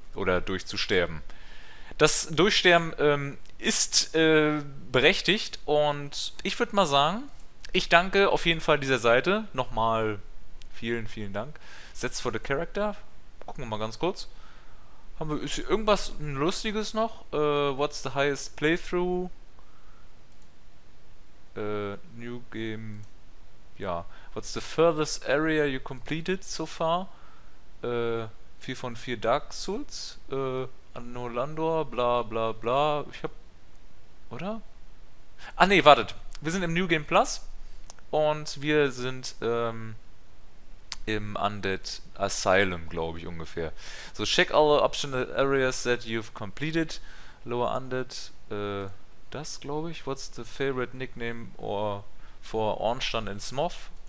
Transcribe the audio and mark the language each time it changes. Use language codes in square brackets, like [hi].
[de] Oder durchzusterben. Das Durchsterben ist berechtigt. Und ich würde mal sagen, ich danke auf jeden Fall dieser Seite. Nochmal vielen, vielen Dank. [en] Set for the Character. [de] Gucken wir mal ganz kurz. Haben wir, ist hier irgendwas Lustiges noch? [en] What's the highest playthrough? New Game. Ja. What's the furthest area you completed so far? [de] 4 von 4 Dark Souls? Anno Landor? Bla bla bla. Ich hab. Oder? Ah ne, wartet. Wir sind im New Game Plus. Und wir sind. Im Undead Asylum, glaube ich, ungefähr. [en] So, check all optional areas that you've completed. Lower Undead, [de] das glaube ich. [en] What's the favorite nickname or for Ornstein in Smough?